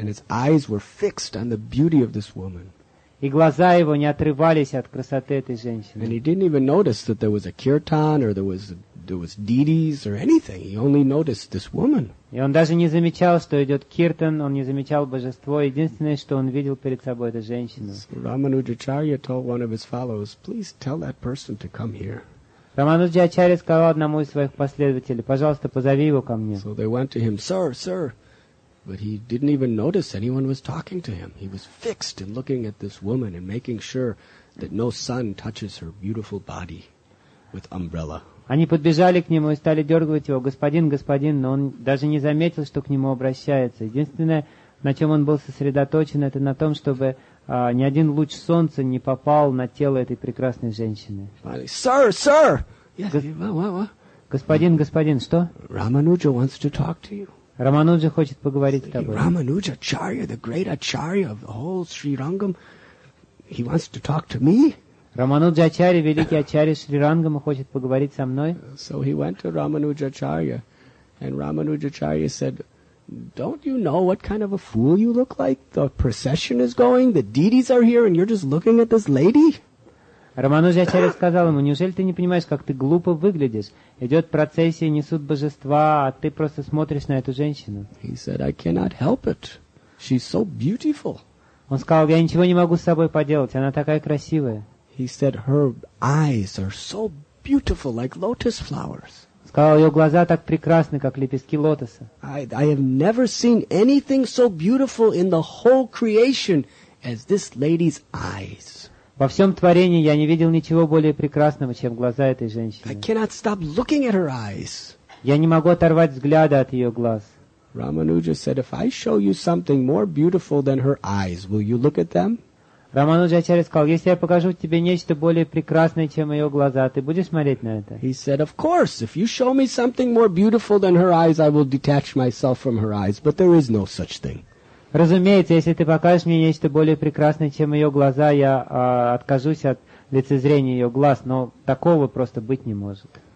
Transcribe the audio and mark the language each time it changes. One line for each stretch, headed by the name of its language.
English: And his eyes were fixed on the beauty of this woman.
Russian: И глаза его не отрывались от красоты этой женщины.
English: And he didn't even notice that there was a Kirtan or there was deities or anything. He only noticed this woman.
Russian: И он даже не замечал, что идет Киртан, он не замечал божество. Единственное, что он видел перед собой, это женщину.
English: So Рамануджачарья told one of his followers, please tell that person to come here.
Russian: Рамануджачарья сказал одному из своих последователей, пожалуйста, позови его ко мне.
English: So they went to him, sir. But he didn't even notice anyone was talking to him. He was fixed in looking at this woman and making sure that no sun touches her beautiful body with umbrella.
Russian: Они подбежали к нему и стали дергать его. Господин, но он даже не заметил, что к нему обращается. Единственное, на чем он был сосредоточен, это на том, чтобы ни один луч солнца не попал на тело этой прекрасной женщины.
English: Finally, sir! Yes.
Russian: Господин, что?
English: Рамануджа wants to talk to you.
Russian: Рамануджа хочет поговорить с тобой.
English: Рамануджа Ачарья, the great Ачарья of the whole Sri Rangam, he wants to talk to me?
Russian: Рамануджа Ачарья, великий Ачарья Шри Рангама, хочет поговорить со мной.
English: So he went to Рамануджа Ачарья, and Рамануджа Ачарья said, don't you know what kind of a fool you look like? The procession is going, the deities are here, and you're just looking at this lady?
Russian: Рамануджа Ачарья сказал ему, неужели ты не понимаешь, как ты глупо выглядишь? Идет процессия, несут божества, а ты просто смотришь на эту женщину.
English: He said, I cannot help it. She's so beautiful.
Russian: Он сказал, я ничего не могу с собой поделать, она такая красивая.
English: He said, her eyes are so beautiful, like lotus flowers.
Russian: Он сказал, ее глаза так прекрасны, как лепестки лотоса.
English: I have never seen anything so beautiful in the whole creation as this lady's eyes.
Russian: Во всем творении я не видел ничего более прекрасного, чем глаза этой женщины.
English: I cannot stop looking at her eyes.
Russian: Я не могу оторвать взгляда от ее глаз.
English: Рамануджа said, if I show you something more beautiful than her eyes, will you look at them?
Russian: Рамануджа Ачарья сказал, если я покажу тебе нечто более прекрасное, чем ее глаза, ты будешь смотреть на это?
English: He said, of course, if you show me something more beautiful than her eyes, I will detach myself from her eyes, but there is no such thing.
Russian: Разумеется, если ты покажешь мне нечто более прекрасное, чем ее глаза, я откажусь от лицезрения ее глаз, но такого просто быть не может.